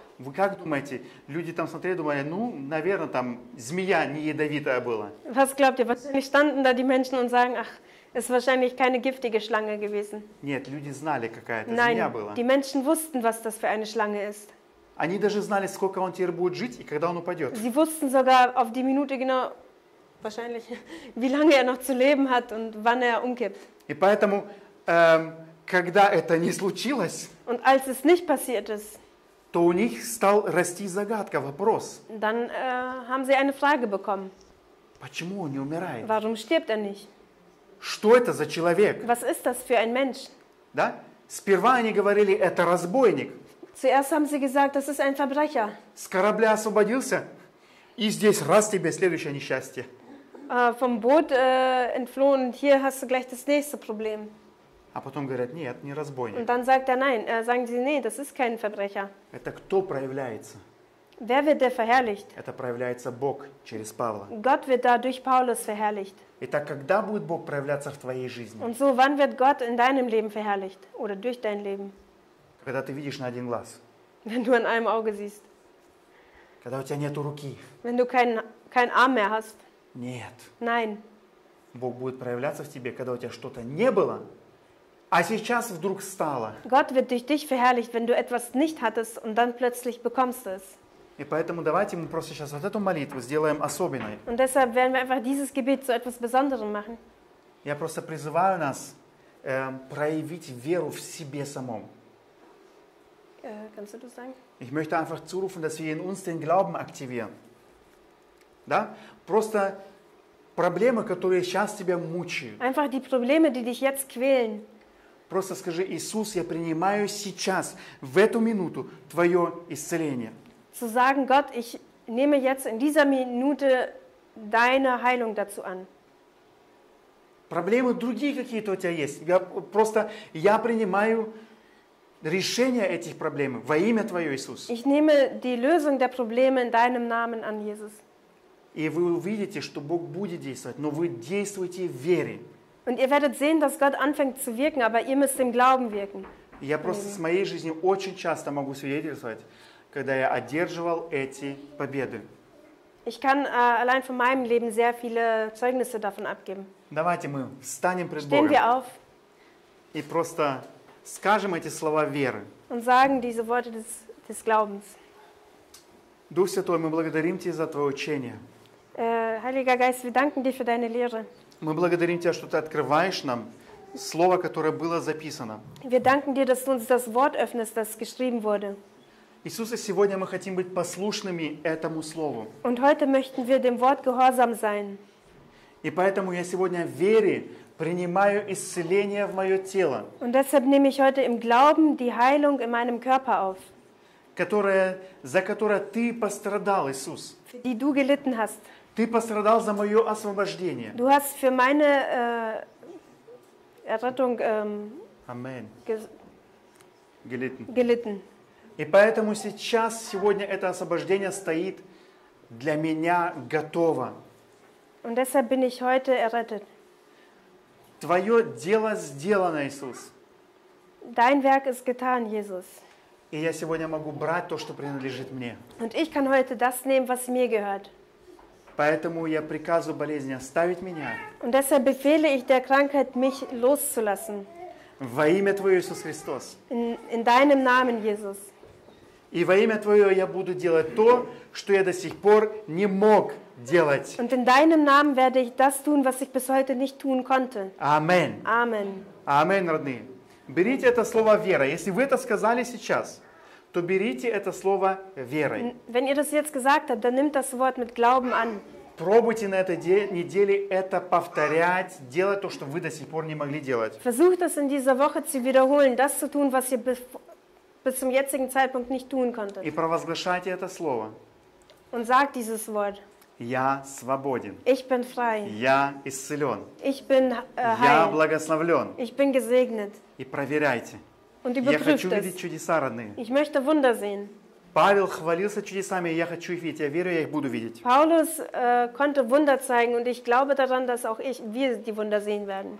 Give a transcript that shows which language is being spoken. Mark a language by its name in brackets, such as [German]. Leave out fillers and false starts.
[Russian] Вы как думаете, люди там смотрели, думали, ну, наверное, там змея не ядовитая была. [German] Was glaubt ihr, wahrscheinlich standen da die Menschen und sagen, ach, ist wahrscheinlich keine giftige Schlange gewesen. [Russian] Нет, люди знали, какая это [German] Nein, [Russian] змея была. [German] Die Menschen wussten, was das für eine Schlange ist. [Russian] Они даже знали, сколько он теперь будет жить и когда он упадет. [German] Sie wussten sogar auf die Minute genau, wahrscheinlich, wie lange er noch zu leben hat und wann er umkippt. [Russian] И поэтому, когда это не случилось, [German] und als es nicht passiert ist, [Russian] то у них стал расти загадка, вопрос. [German] Dann haben sie eine Frage bekommen. [Russian] Почему он не умирает? [German] Warum stirbt er nicht? [Russian] Что это за человек? [German] Was ist das für ein Mensch? [Russian] Да? Сперва они говорили, это разбойник. [German] Zuerst haben sie gesagt, das ist ein Verbrecher. [Russian] С корабля освободился, и здесь раз тебе следующее несчастье. [German] Vom Boot entflohen, hier hast du gleich das nächste Problem. [Russian] А потом говорят, нет, не разбойник. [German] Und dann sagt er nein, sagen sie, nee, das ist kein Verbrecher. [Russian] Это кто проявляется? [German] Wer wird der verherrlicht? [Russian] Это проявляется Бог через Павла. [German] Gott wird dadurch Paulus verherrlicht. [Russian] Итак, когда будет Бог проявляться в твоей жизни? [German] Und so, wann wird Gott in deinem Leben verherrlicht? Oder durch dein Leben? [Russian] Когда ты видишь на один глаз. [German] Wenn du an einem Auge siehst. [Russian] Когда у тебя нету руки. [German] Wenn du kein Arm mehr hast. [Russian] Нет. [German] Nein. [Russian] Бог будет проявляться в тебе, когда у тебя что-то не было, а сейчас вдруг стало. [German] Gott wird durch dich verherrlicht, wenn du etwas nicht hattest und dann plötzlich bekommst es. [Russian] И поэтому давайте мы просто сейчас вот эту молитву сделаем особенной. [German] Und deshalb werden wir einfach dieses Gebet zu etwas Besonderem machen. [Russian] Я просто призываю нас проявить веру в себе самом. [German] Kannst du das sagen? Ich möchte einfach zurufen, dass wir in uns den Glauben aktivieren. [Russian] Да? Просто проблемы, которые сейчас тебя мучают. [German] Einfach die Probleme, die dich jetzt quälen. [Russian] Просто скажи, Иисус, я принимаю сейчас, в эту минуту, твое исцеление. [German] Zu sagen, Gott, ich nehme jetzt in dieser Minute deine Heilung dazu an. [Russian] Проблемы другие какие-то у тебя есть. Я принимаю решение этих проблем во имя твое, Иисус. [German] Ich nehme die Lösung der Probleme in deinem Namen an, Jesus. [Russian] И вы увидите, что Бог будет действовать, но вы действуете в вере. [German] Und ihr werdet sehen, dass Gott anfängt zu wirken, aber ihr müsst im Glauben wirken. [Russian] Я просто с моей жизни очень часто могу свидетельствовать, когда я одерживал эти победы. [German] Ich kann allein von meinem Leben sehr viele Zeugnisse davon abgeben. [Russian] Давайте мы встанем пред Богом. [German] Stehen wir auf. [Russian] И просто скажем эти слова веры. [German] Und sagen diese Worte des Glaubens. [Russian] Дух Святой, мы благодарим Тебя за Твое учение. [German] Heiliger Geist, wir danken dir für deine Lehre. [Russian] Мы благодарим Тебя, что Ты открываешь нам слово, которое было записано. [German] Wir danken dir, dass du uns das Wort öffnest, das geschrieben wurde. [Russian] Иисуса, сегодня мы хотим быть послушными этому слову. [German] Und heute möchten wir dem Wort gehorsam sein. [Russian] И поэтому я сегодня в вере принимаю исцеление в мое тело. [German] Und deshalb nehme ich heute im Glauben die Heilung in meinem Körper auf. [Russian] За которое ты пострадал, Иисус. [German] Für die du gelitten hast. [Russian] Ты пострадал за мое освобождение. [German] Du hast für meine Errettung Amen. Gelitten. [Russian] И поэтому сейчас, сегодня это освобождение стоит для меня готово. [German] Und deshalb bin ich heute errettet. [Russian] Твое дело сделано, Иисус. [German] Dein Werk ist getan, Jesus. [Russian] И я сегодня могу брать то, что принадлежит мне. [German] Und ich kann heute das nehmen, was mir gehört. [Russian] Поэтому я приказываю болезни оставить меня. [German] Und deshalb befehle ich der Krankheit, mich loszulassen. [Russian] Во имя Твое, Иисус Христос. [German] In deinem Namen, Jesus. [Russian] И во имя Твое я буду делать то, что я до сих пор не мог делать. [German] Und in deinem Namen werde ich das tun, was ich bis heute nicht tun konnte. Amen. Amen. [Russian] Amen, родные. Берите это слово вера. Если вы это сказали сейчас, то берите это слово верой. [German] Wenn ihr das jetzt gesagt habt, dann nimmt das Wort mit Glauben an. [Russian] Пробуйте на этой неделе это повторять, делать то, что вы до сих пор не могли делать. [German] Versucht das in dieser Woche zu wiederholen, das zu tun, was ihr bis zum jetzigen Zeitpunkt nicht tun konntet. [Russian] И провозглашайте это слово. [German] Und sagt dieses Wort. [Russian] Я свободен. [German] Ich bin frei. [Russian] Я исцелен. [German] Ich bin heil. [Russian] Я благословлен. [German] Ich bin gesegnet. [Russian] И проверяйте. [German] Und überprüft es. [Russian] Я хочу видеть чудеса, родные. [German] Ich möchte Wunder sehen. [Russian] Павел хвалился чудесами, и я хочу их видеть. Я верю, я их буду видеть. [German] Paulus konnte Wunder zeigen, und ich glaube daran, dass auch wir die Wunder sehen werden.